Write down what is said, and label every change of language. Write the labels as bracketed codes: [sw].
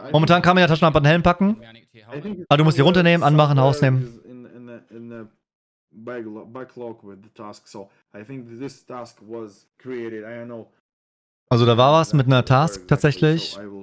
[de] Momentan kann man ja Taschenlampe an den Helm packen, aber du musst sie runternehmen, anmachen, rausnehmen. [en] Backlog with the task, so I think this task was created. I don't know. [de] Also da war was mit einer Task tatsächlich.